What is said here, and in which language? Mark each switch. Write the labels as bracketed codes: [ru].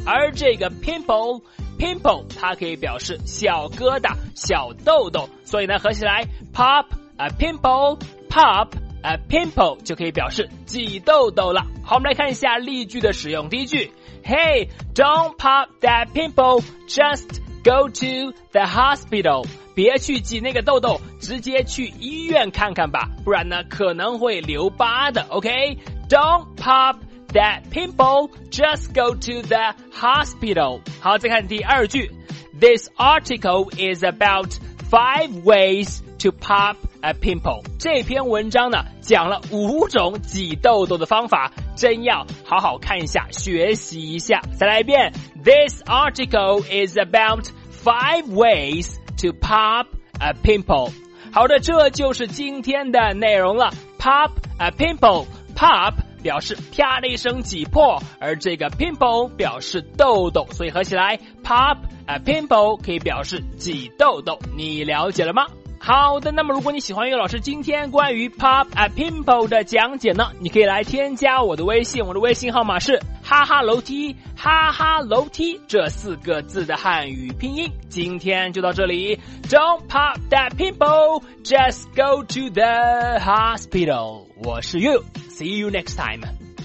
[zh] 而这个 pimple 它可以表示小疙瘩小痘痘，所以呢合起来 pop a pimple pop a pimple 就可以表示挤痘痘了。好，我们来看一下例句的使用。第一句， [en] Hey, don't pop that pimple, just go to the hospital。 [zh] 别去挤那个痘痘，直接去医院看看吧，不然呢可能会留疤的。 [en] OK, don't popThat pimple, just go to the hospital. [zh] 好，再看第二句。 [en] This article is about 5 ways to pop a pimple. [zh] 这篇文章呢，讲了五种挤痘痘的方法，真要好好看一下，学习一下。再来一遍。 [en] This article is about 5 ways to pop a pimple. [zh] 好的，这就是今天的内容了。 Pop a pimple, pop表示啪的一声挤破，而这个 pimple 表示痘痘，所以合起来 pop a pimple 可以表示挤痘痘，你了解了吗？好的，那么如果你喜欢岳老师今天关于 pop a pimple 的讲解呢，你可以来添加我的微信，我的微信号码是哈哈楼梯，哈哈楼梯这四个字的汉语拼音。今天就到这里， [en] Don't pop that pimple, just go to the hospital. 我是 You, see you next time.